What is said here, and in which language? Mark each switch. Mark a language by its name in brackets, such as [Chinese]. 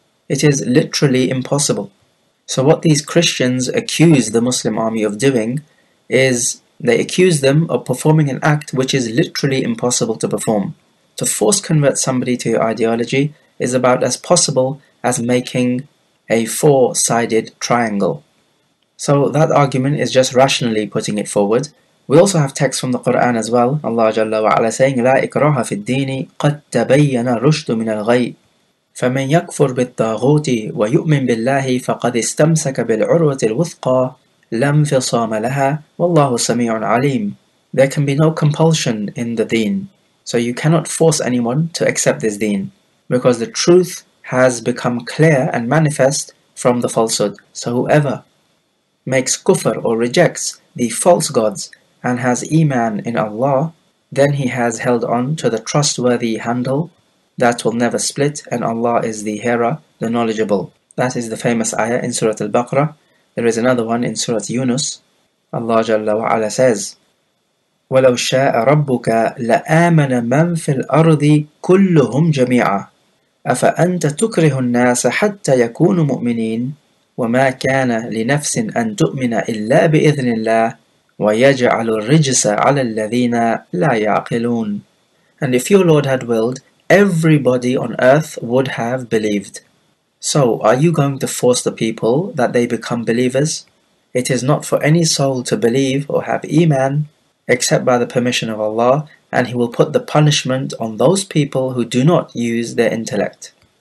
[English] It is literally impossible. So what these Christians accuse the Muslim army of doing is they accuse them of performing an act which is literally impossible to perform. To force convert somebody to your ideology is about as possible as making a four-sided triangle. So that argument is just rationally putting it forward. We also have texts from the Quran as well, Allah Jalla wa Ala saying, [Arabic] لا إكراه في الدين قد تبين الرشد من الغي فمن يكفر بالطاغوت ويؤمن بالله فقد استمسك بالعروة الوثقى لَمْ فِصَامَ لَهَا وَاللَّهُ سَمِيعٌ عَلِيمٌ. [English] There can be no compulsion in the deen. So you cannot force anyone to accept this deen, because the truth has become clear and manifest from the falsehood. So whoever makes kufr or rejects the false gods and has iman in Allah, then he has held on to the trustworthy handle that will never split, and Allah is the hearer, the knowledgeable. That is the famous ayah in Surah Al-Baqarah. There is another one in Surah Yunus. Allah Jalla wa Ala says, [Arabic] وَلَوْ شَاءَ رَبُّكَ لَآمَنَ مَنْ فِي الْأَرْضِ كُلُّهُمْ جَمِيعًا أَفَأَنْتَ تُكْرِهُ النَّاسَ حَتَّى يَكُونُوا مُؤْمِنِينَ وَمَا كَانَ لِنَفْسٍ أَنْ تُؤْمِنَ إِلَّا بِإِذْنِ اللَّهِ وَيَجْعَلُ الرِّجْسَ عَلَى الَّذِينَ لَا يَعْقِلُونَ. [English] And if your Lord had willed, everybody on earth would have believed. So are you going to force the people that they become believers? It is not for any soul to believe or have iman except by the permission of Allah, and He will put the punishment on those people who do not use their intellect.